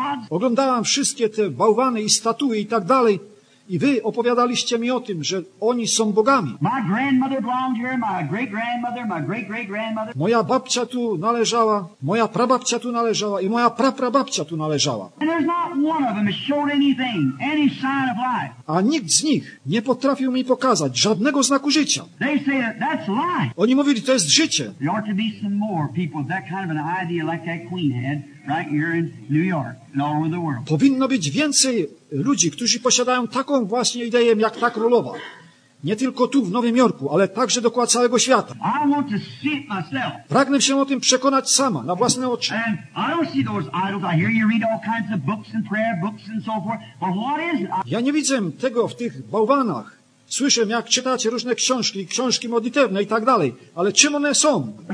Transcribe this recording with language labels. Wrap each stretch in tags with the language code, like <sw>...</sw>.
<pl>Oglądałam wszystkie te bałwany i statuły i tak dalej. I wy opowiadaliście mi o tym, że oni są bogami.</pl> <en>My grandmother belonged here, my great grandmother, my great great grandmother.</en> <pl>Moja babcia tu należała, moja prababcia tu należała i moja praprababcia tu należała.</pl> <en>And there's not one of them that showed anything, any sign of life.</en> <pl>A nikt z nich nie potrafił mi pokazać żadnego znaku życia.</pl> <en>They say that that's life.</en> <pl>Oni mówili, to jest życie.</pl> <en>There ought to be some more people with that kind of an idea like that queen had. Right here in New York and all over the world.</en> <pl>Powinno być więcej ludzi, którzy posiadają taką właśnie ideę jak ta królowa. Nie tylko tu w Nowym Jorku, ale także dookoła całego świata.</pl> <en>I want to see it myself.</en> <pl>Pragnę się o tym przekonać sama, na własne oczy.</pl> <en>And I don't see those idols. I hear you read all kinds of books and prayer books and so forth. But what is it?</en> <pl>Ja nie widzę tego w tych bałwanach. Słyszę, jak czytacie różne książki, książki modlitewne i tak dalej. Ale czym one są?</pl>